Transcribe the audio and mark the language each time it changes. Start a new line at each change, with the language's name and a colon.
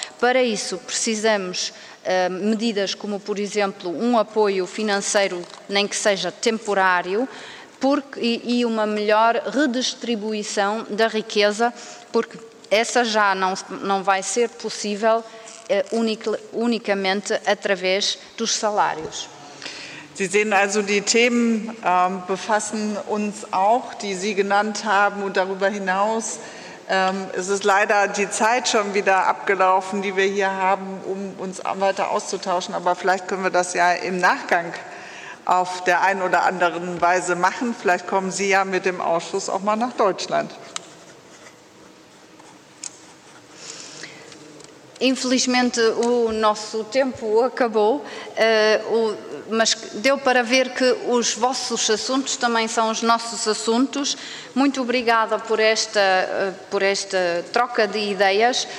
Portuguese: Para isso, precisamos de medidas como, por exemplo, um apoio financeiro, nem que seja temporário, e uma melhor redistribuição da riqueza, porque essa já não vai ser possível unicamente através dos salários.
German: Sie sehen also, die Themen befassen uns auch, die Sie genannt haben, und darüber hinaus Es ist leider die Zeit schon wieder abgelaufen, die wir hier haben, um uns weiter auszutauschen. Aber vielleicht können wir das ja im Nachgang auf der einen oder anderen Weise machen. Vielleicht kommen Sie ja mit dem Ausschuss auch mal nach Deutschland.
Portuguese: Infelizmente o nosso tempo acabou, mas deu para ver que os vossos assuntos também são os nossos assuntos. Muito obrigada por esta troca de ideias.